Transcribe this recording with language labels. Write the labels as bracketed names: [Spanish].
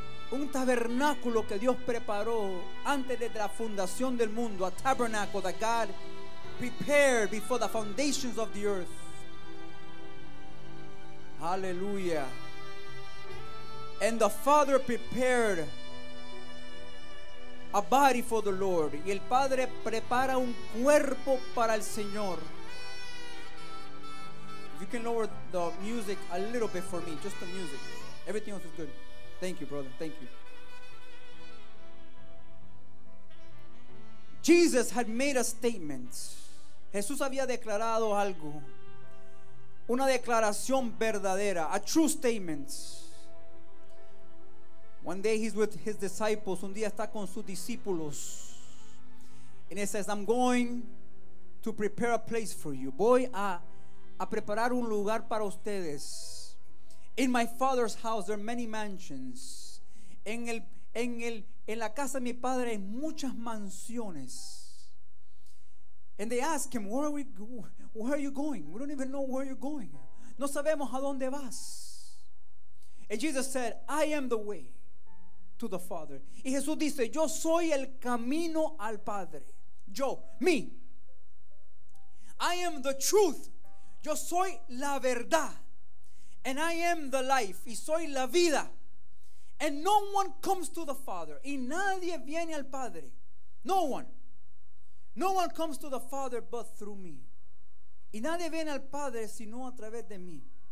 [Spanish] Un tabernáculo que Dios preparó antes de la fundación del mundo, [English] a tabernacle that God prepared before the foundations of the earth. Aleluya. And the Father prepared a body for the Lord. [Spanish] Y el Padre prepara un cuerpo para el Señor. [English] If you can lower the music a little bit for me, just the music. Everything else is good. Thank you, brother. Thank you. Jesus had made a statement. [Spanish] Jesús había declarado algo. Una declaración verdadera. [English] A true statement. One day he's with his disciples. [Spanish] Un día está con sus discípulos. [English] And he says, I'm going to prepare a place for you. [Spanish] Voy a preparar un lugar para ustedes. [English] In my Father's house there are many mansions. [Spanish] En la casa de mi padre hay muchas mansiones. [English] And they ask him, where are you going? We don't even know where you're going. [Spanish] No sabemos a dónde vas. [English] And Jesus said, I am the way to the Father. [Spanish] Y Jesús dice, yo soy el camino al Padre. [English] Yo, me. I am the truth. [Spanish] Yo soy la verdad. [English] And I am the life. [Spanish] Y soy la vida. [English] And no one comes to the Father. [Spanish] Y nadie viene al Padre. [English] No one. No one comes to the Father but through me. [Spanish] Y nadie viene al Padre sino a través de mí.